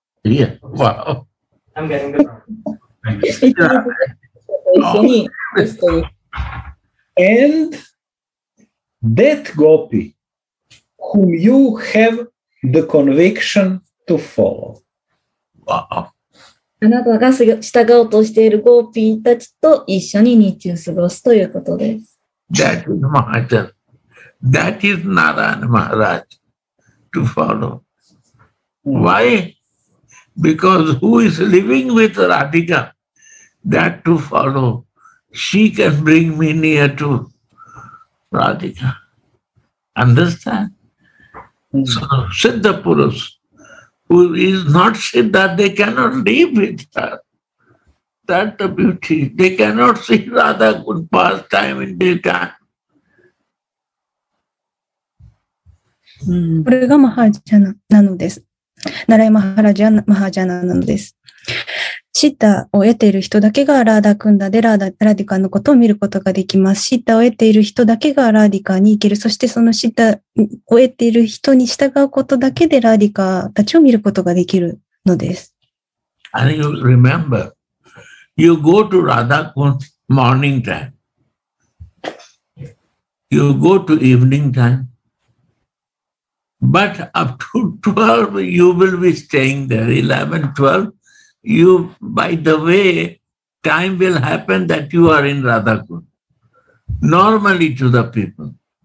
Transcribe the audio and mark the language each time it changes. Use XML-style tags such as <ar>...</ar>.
<en>Yeah. Wow. I'm getting it wrong. And that gopi whom you have the conviction to follow. Wow.</en> <ja>あなたが従おうとしているゴーピーたちと一緒に日中過ごすということです。</ja> <en>That is Maharaj. That is Narayan Maharaj to follow. Why? Because who is living with Radhika? That to follow. She can bring me near to Radhika. Understand? So, Siddha Purush. Who is not Siddha, they cannot live with her. That's the beauty. They cannot see Radha good pastime in daytime.</en> <ja>これがマハジャナなのです。ナライマハラジャナマハジャナなのです。シッタを得ている人だけがラーダクンダでラディカのことを見ることができます。シッタを得ている人だけがラーディカに行ける。そしてそのシッタを得ている人に従うことだけでラーディカたちを見ることができるのです。</ja> <en>And you remember, you go to Radha Kund morning time. You go to evening time. But up to 12, you will be staying there. 11, 12. You, by the way, time will happen that you are in Radhakund, normally to the people.</en>